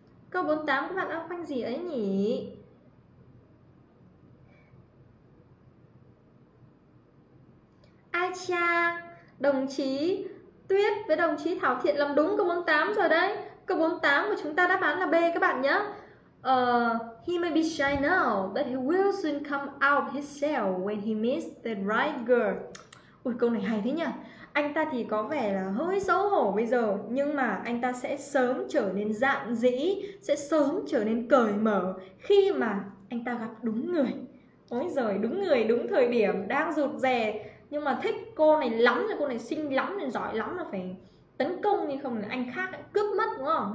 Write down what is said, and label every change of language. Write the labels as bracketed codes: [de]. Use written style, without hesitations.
[vi] Câu 48 các bạn đang khoanh gì ấy nhỉ? Ai cha, đồng chí Tuyết với đồng chí Thảo Thiện làm đúng câu 48 rồi đấy. Câu 48 của chúng ta đáp án là B các bạn nhé. [en] He may be shy now, but he will soon come out of his shell when he meets the right girl. [vi] Ui, câu này hay thế nhỉ. Anh ta thì có vẻ là hơi xấu hổ bây giờ, nhưng mà anh ta sẽ sớm trở nên rạng rỡ, sẽ sớm trở nên cởi mở khi mà anh ta gặp đúng người. Ôi giời, đúng người, đúng thời điểm, đang rụt rè. Nhưng mà thích cô này lắm, cô này xinh lắm, này giỏi lắm, là phải tấn công đi, không là anh khác lại cướp mất, đúng không?